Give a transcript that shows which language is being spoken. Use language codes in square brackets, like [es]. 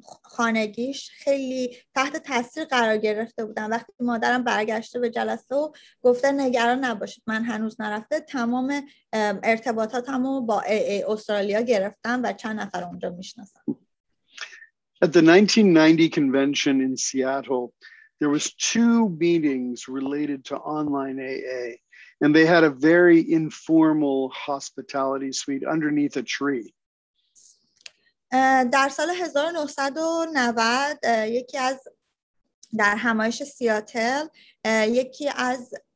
[fa] خانگیش خیلی تحت تاثیر قرار گرفته بودن. وقتی مادرم برگشته به جلسه و گفته نگران نباشید من هنوز نرفته، تمام ارتباطاتم رو با استرالیا گرفتم و چند نفر اونجا میشناسم. [en] At the 1990 convention in Seattle, there was two meetings related to online AA, and they had a very informal hospitality suite underneath a tree. [fa] در سال 1990 یکی از در همایش سیاتل یکی از